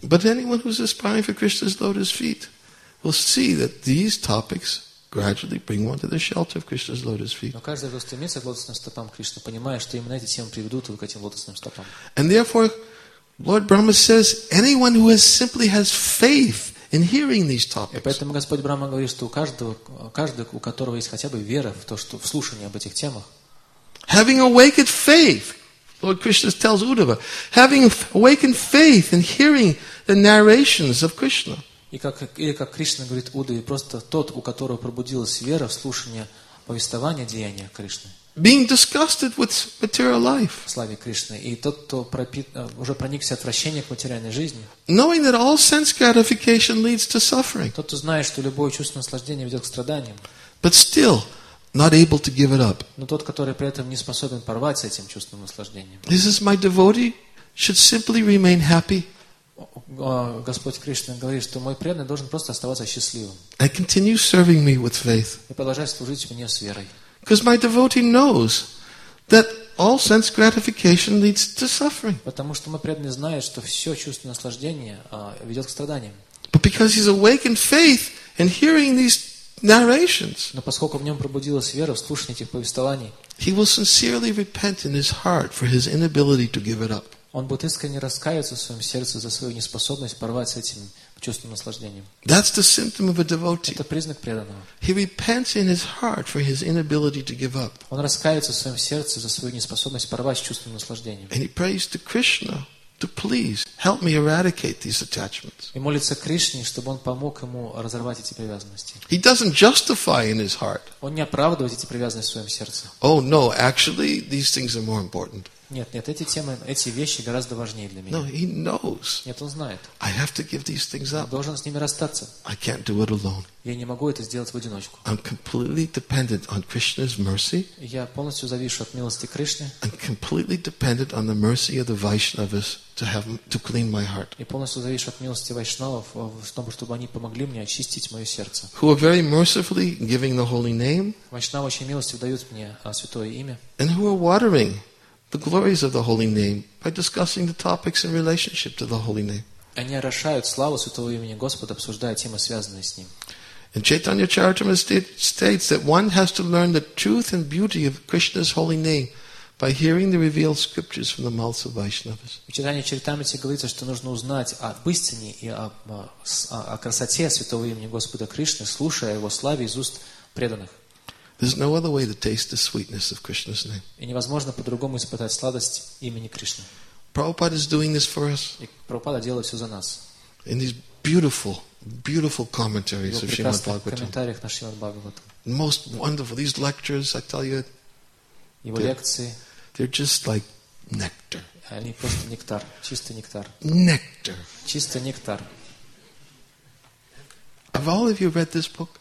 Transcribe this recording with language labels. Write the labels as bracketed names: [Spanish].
[English] But anyone who is aspiring for Krishna's lotus feet. We'll see that these topics gradually bring one to the shelter of Krishna's lotus feet. [Russian] Но каждый, кто стремится к лотосным стопам Кришны, понимает, что именно эти темы приведут его к этим лотосным стопам. [English] And therefore, Lord Brahma says, anyone who has simply has faith in hearing these topics. [Russian] И поэтому Господь Брахма говорит, что у каждого, у которого есть хотя бы вера в то, что в слушании об этих темах. [English] Having awakened faith, Lord Krishna tells Uddhava, having awakened faith in hearing the narrations of Krishna. [Russian] И как Кришна говорит Удаве, просто тот, у которого пробудилась вера в слушание повествования деяния Кришны. [English] Being disgusted with material life. [Russian] Славе Кришны. И тот, кто уже проникся отвращением к материальной жизни. [English] Knowing that all sense gratification leads to suffering. [Russian] Тот, кто знает, что любое чувство наслаждения ведет к страданиям. [English] But still not able to give it up. [Russian] Но тот, который при этом не способен порвать с этим чувством наслаждения. [English] This is my devotee should simply remain happy. [Russian] Господь Кришна говорит, что мой преданный должен просто оставаться счастливым. [English] And continue serving me with faith. [Russian] И продолжать служить мне с верой. [English] Because my devotee knows that all sense gratification leads to suffering. [Russian] Потому что мой преданный знает, что все чувство наслаждения ведет к страданиям. [English] But because he's awakened faith in hearing these narrations. [Russian] Но поскольку в нем пробудилась вера в слушание этих повествований. [English] He will sincerely repent in his heart for his inability to give it up. [Russian] Он будет искренне раскаиваться в своем сердце за свою неспособность порвать с этим чувством наслаждения. [English] That's the symptom of a devotee. [Russian] Это признак преданного. [English] He repents in his heart for his inability to give up. [Russian] Он раскаивается в своем сердце за свою неспособность порвать с чувством наслаждения. [English] And he prays to Krishna to please help me eradicate these attachments. [Russian] И молится Кришне, чтобы он помог ему разорвать эти привязанности. [English] He doesn't justify in his heart. [Russian] Он не оправдывает эти привязанности в своем сердце. [English] Oh no, actually these things are more important. [Russian] Нет, эти темы, эти вещи гораздо важнее для меня. [English] No, he knows. [Russian] Нет, он знает. [English] I have to give these things up. [Russian] Я должен с ними расстаться. [English] I can't do it alone. [Russian] Я не могу это сделать в одиночку. [English] I'm completely dependent on Krishna's mercy. [Russian] Я полностью завишу от милости Кришны. [English] I'm completely dependent on the mercy of the Vaishnavas to clean my heart. [Russian] И полностью зависишь от милости вайшнавов в том, чтобы они помогли мне очистить мое сердце. [English] Who are very mercifully giving the holy name. [Russian] Вайшнавы очень милостиво дают мне святое имя. [English] And who are watering the glories of the holy name by discussing the topics in relationship to the holy name. [Russian] Они орошают славу святого имени Господа, обсуждая темы, связанные с ним. [English] And Chaitanya Charitamrita states that one has to learn the truth and beauty of Krishna's holy name by hearing the revealed scriptures from the mouths of Vaishnavas. [Russian] В Читании Чаритамрите говорится, что нужно узнать об истине и о красоте святого имени Господа Кришны, слушая его славе из уст преданных. [English] There's no other way to taste the sweetness of Krishna's name. [Russian] И невозможно по-другому испытать сладость имени Кришны. [English] Prabhupada is doing this for us. [Russian] И Прабхупада делает все за нас. [English] In these beautiful, beautiful commentaries of Srimad Bhagavatam. [Russian] В комментариях на Шримад Бхагаватам. [English] Most wonderful. These lectures, I tell you, [Russian] его лекции. [English] They're just like nectar. [Russian] Они просто нектар, чистый нектар. [English] Nectar. [Russian] Чистый нектар. [English] Have all of you read this book?